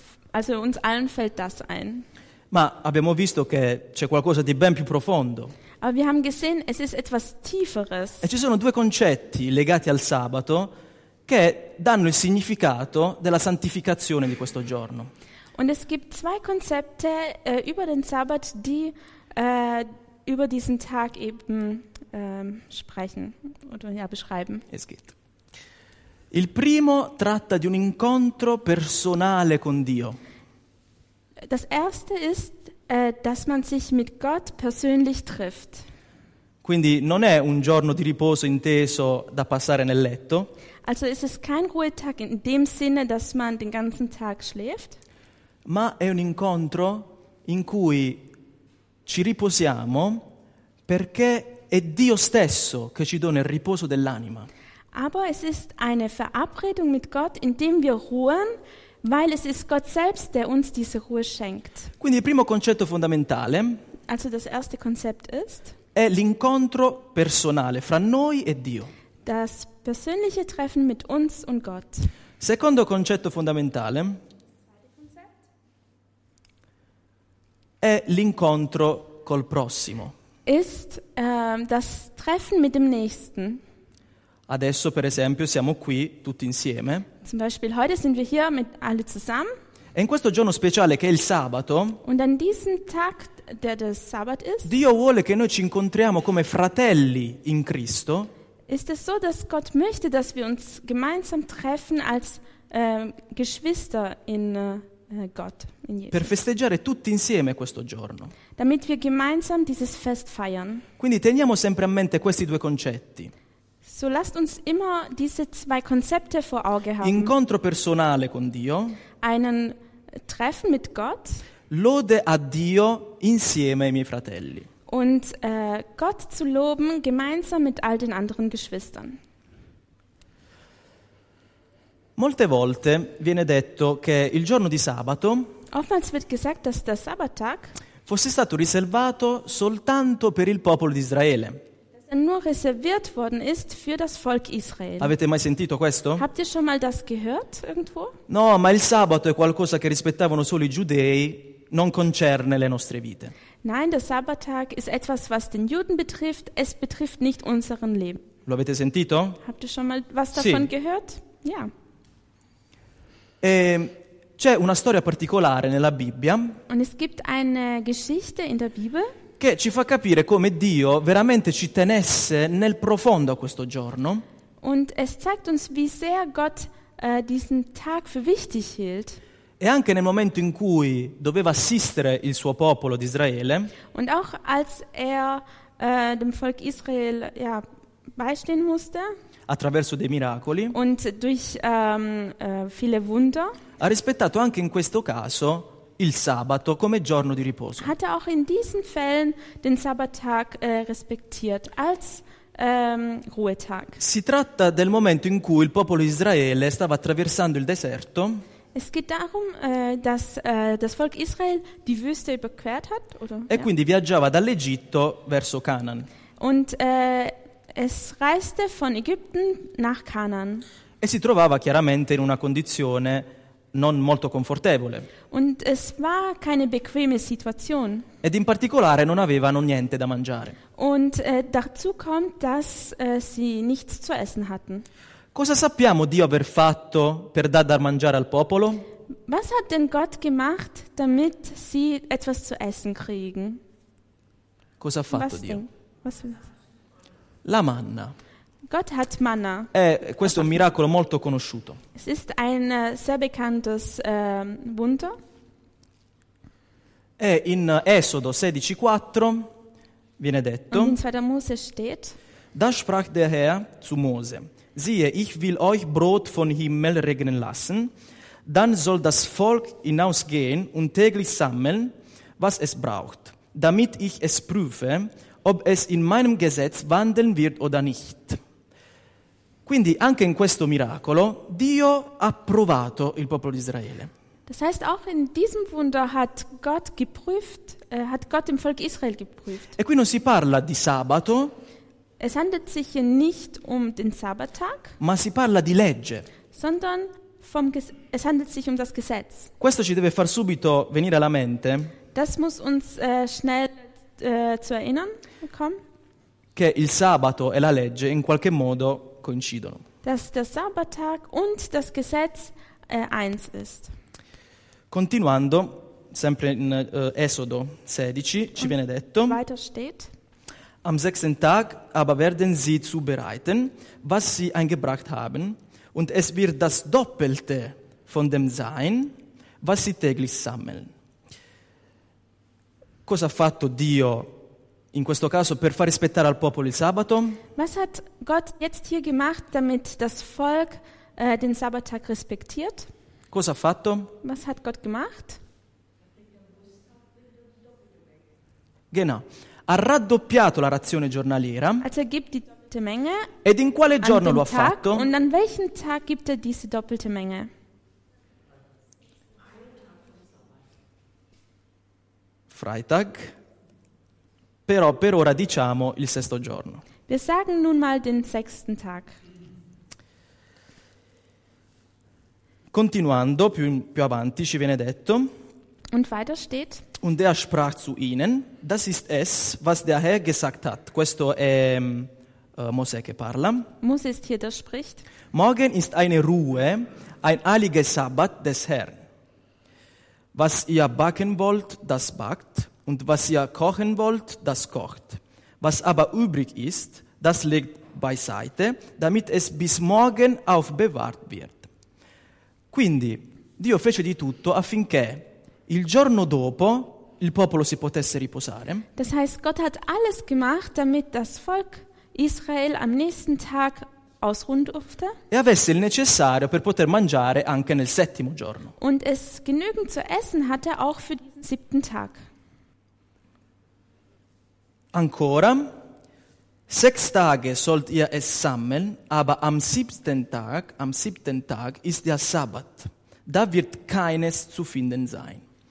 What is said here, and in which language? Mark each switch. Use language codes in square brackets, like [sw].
[de] Also uns allen fällt das ein. [it] Ma abbiamo visto che c'è qualcosa di ben più profondo. [de] Aber wir haben gesehen, es ist etwas Tieferes. [it] E ci sono due concetti legati al sabato che danno il significato della santificazione di questo giorno. [de] Und es gibt zwei Konzepte über den Sabbat, die über diesen Tag eben sprechen oder ja beschreiben. Es geht. [it] Il primo tratta di un incontro personale con Dio. [de] Das erste ist, dass man sich mit Gott persönlich trifft. [it] Quindi non è un giorno di riposo inteso da passare nel letto. [de] Also ist es kein Ruhetag in dem Sinne, dass man den ganzen Tag schläft. [it] Ma è un incontro in cui ci riposiamo perché è Dio stesso che ci dona il riposo dell'anima. [de] Aber es ist eine Verabredung mit Gott, in dem wir ruhen, weil es ist Gott selbst, der uns diese Ruhe schenkt. [it] Quindi il primo concetto fondamentale, [de] also das erste Konzept ist, [it] è l'incontro personale fra noi e Dio. [de] Das persönliche Treffen mit uns und Gott. [it] Secondo concetto fondamentale, è l'incontro col prossimo. [de] Ist das Treffen mit dem Nächsten. [it] Adesso, per esempio, siamo qui tutti insieme. [de] Zum Beispiel heute sind wir hier mit alle zusammen. [it] E in questo giorno speciale che è il sabato. [de] Und an diesem Tag, der der Sabbat ist. [it] Dio vuole che noi ci incontriamo come fratelli in Cristo. [de] Ist es so, dass Gott möchte, dass wir uns gemeinsam treffen als Geschwister in Gott, in [it] Jesus. Per festeggiare tutti insieme questo giorno. [de] Damit wir gemeinsam dieses Fest feiern. [it] Quindi teniamo sempre a mente questi due concetti. [de] So lasst uns immer diese zwei Konzepte vor Auge haben. [it] Incontro personale con Dio. [de] Einen Treffen mit Gott. [it] lode a Dio insieme ai miei fratelli. [de] Und Gott zu loben gemeinsam mit all den anderen Geschwistern. [it] Molte volte viene detto che il giorno di sabato [de] oftmals wird gesagt, dass der Sabbattag [it] fosse stato riservato soltanto per il popolo di Israele. [de] Nur reserviert worden ist für das Volk Israel. [it] Avete mai sentito questo? [de] Habt ihr schon mal das gehört irgendwo? [it] No, ma il sabato è qualcosa che rispettavano solo i giudei, non concerne le nostre vite. [de] Nein, der Sabbattag ist etwas, was den Juden betrifft, es betrifft nicht unseren Leben. [it] Lo avete sentito? [de] Habt ihr schon mal was davon [it] sì. [de] gehört? Ja. [it] C'è una storia particolare nella Bibbia. [de] Und es gibt eine Geschichte in der Bibel. [it] Che ci fa capire come Dio veramente ci tenesse nel profondo a questo giorno. [de] Und es zeigt uns, wie sehr Gott diesen Tag für wichtig hielt. [it] E anche nel momento in cui doveva assistere il suo popolo di Israele. [de] Und auch als er dem Volk Israel ja beistehen musste. [it] Attraverso dei miracoli. [de] Und durch viele Wunder. [it] Ha rispettato anche in questo caso il sabato come giorno di riposo. [de] Hatte auch in diesen Fällen den Sabbattag respektiert als Ruhetag. [it] Si tratta del momento in cui il popolo di Israele stava attraversando il deserto. [de] Es geht darum, dass das Volk Israel die Wüste überquert hat, oder? [it] E quindi viaggiava dall'Egitto verso Canaan. [de] Und es reiste von Ägypten nach Canaan. [it] E si trovava chiaramente in una condizione non molto confortevole. [de] Und es war keine bequeme Situation. [it] Ed in particolare non avevano niente da mangiare. [de] Und dazu kommt, dass sie nichts zu essen hatten. [it] Cosa sappiamo Dio aver fatto per dar da mangiare al popolo? [de] Was hat denn Gott gemacht, damit sie etwas zu essen kriegen? [it] Cosa ha fatto [de] Was [it] Dio? [de] Was? [it] La manna. [de] Gott hat Manna. [it] Questo è un miracolo molto conosciuto. [de] Es ist ein sehr bekanntes Wunder. [it] E in Esodo 16,4 viene detto. [de] Und in 2. Mose steht. Da sprach der Herr zu Mose: Siehe, ich will euch Brot von Himmel regnen lassen. Dann soll das Volk hinausgehen und täglich sammeln, was es braucht, damit ich es prüfe, ob es in meinem Gesetz wandeln wird oder nicht. [it] Quindi anche in questo miracolo Dio ha provato il popolo di Israele. [de] Das heißt, auch in diesem Wunder hat Gott geprüft, hat Gott dem Volk Israel geprüft. [it] E qui non si parla di sabato. [de] Es handelt sich hier nicht um den Sabbattag. [it] Ma si parla di legge. [de] Sondern es handelt sich um das Gesetz. [it] Questo ci deve far subito venire alla mente. [de] Das muss uns schnell zu erinnern kommen. [it] Che il sabato e la legge in qualche modo coincidono. [de] Dass der Sabbattag und das Gesetz eins ist. [it] Continuando, sempre in Esodo 16, ci viene detto: [de] Weiter steht, am sechsten Tag aber werden sie zubereiten, was sie eingebracht haben, und es wird das Doppelte von dem sein, was sie täglich sammeln. [it] Cosa ha fatto Dio in questo caso per far rispettare al popolo il sabato? [de] Was hat Gott jetzt hier gemacht, damit das Volk den Sabbattag respektiert? [it] Cosa ha fatto? [de] Was hat Gott gemacht? Genau. [it] Ha raddoppiato la razione giornaliera. [de] Also gibt die doppelte Menge. [it] Ed in quale giorno lo ha fatto? [de] Und an welchem Tag gibt diese doppelte Menge? Freitag. [it] Però per ora diciamo il sesto giorno. [de] Wir sagen nun mal den sechsten Tag. [it] Continuando più avanti ci viene detto. [de] Und weiter steht. Und er sprach zu ihnen. Das ist es, was der Herr gesagt hat. [it] Questo è Mosè che parla. [de] Mosè ist hier, der spricht. Morgen ist eine Ruhe, ein heiliger Sabbat des Herrn. Was ihr backen wollt, das backt. Und was ihr kochen wollt, das kocht. Was aber übrig ist, das legt beiseite, damit es bis morgen aufbewahrt wird. [it] Quindi, Dio fece di tutto affinché il giorno dopo il popolo si potesse riposare. [de] Das heißt, Gott hat alles gemacht, damit das Volk Israel am nächsten Tag ausruhen durfte. [it] E avesse il necessario per poter mangiare anche nel settimo giorno. [de] Und es genügend zu essen hatte auch für diesen siebten Tag. [it] Ancora, [de] sechs Tage sollt ihr es sammeln, aber am siebten Tag ist der Sabbat. Da wird keines zu finden sein.